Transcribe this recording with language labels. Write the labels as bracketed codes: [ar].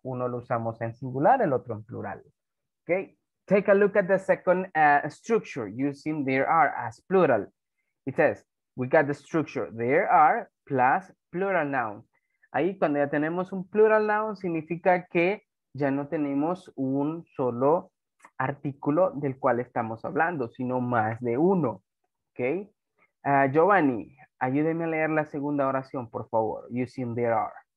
[es] Uno lo usamos en singular, el otro en plural. [en] Okay. Take a look at the second structure using there are as plural. It says, we got the structure there are plus plural noun. [es] Ahí cuando ya tenemos un plural noun significa que ya no tenemos un solo artículo del cual estamos hablando, sino más de uno. Okay. Giovanni, ayúdeme a leer la segunda oración, por favor, using there are.